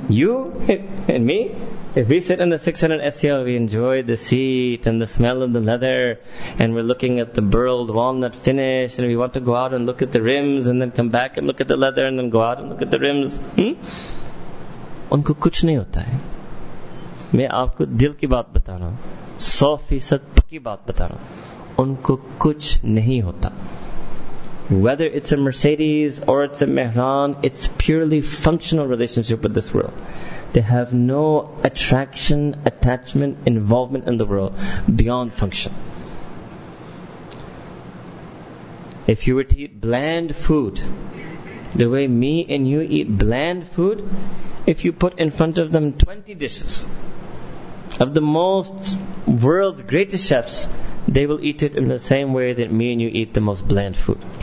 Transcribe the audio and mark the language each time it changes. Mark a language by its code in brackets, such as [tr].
[en] You and me, if we sit in the 600 SEL, we enjoy the seat and the smell of the leather, and we're looking at the burled walnut finish, and we want to go out and look at the rims, and then come back and look at the leather, and then go out and look at the rims. [ur] ان کو کچھ نہیں ہوتا ہے. میں آپ کو دل کی بات بتا رہا ہوں, 100% پکی بات بتا رہا ہوں, ان کو کچھ نہیں ہوتا. [en] Whether it's a Mercedes or it's a Mehran, it's purely functional relationship with this world. They have no attraction, attachment, involvement in the world beyond function. If you were to eat bland food, the way me and you eat bland food, if you put in front of them 20 dishes of the most world's greatest chefs, they will eat it in the same way that me and you eat the most bland food.